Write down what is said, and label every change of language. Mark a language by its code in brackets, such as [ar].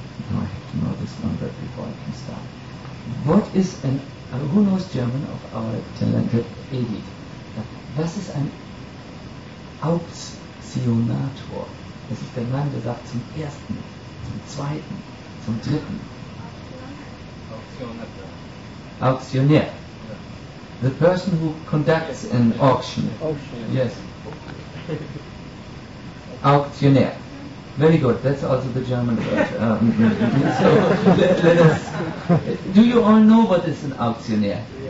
[en] No, I have to know this number before I can start. What is an, who knows German of our talented 80? [de] Was ist ein Auktionator? Das ist der Mann, der sagt zum Ersten, zum Zweiten, zum Dritten. Auktionator. Auktionär. [en] The person who conducts an auction. [de] Auktionär. [en] Yes. Auktionär. Very good. That's also the German word. So let us. Do you all know what is an auctioneer?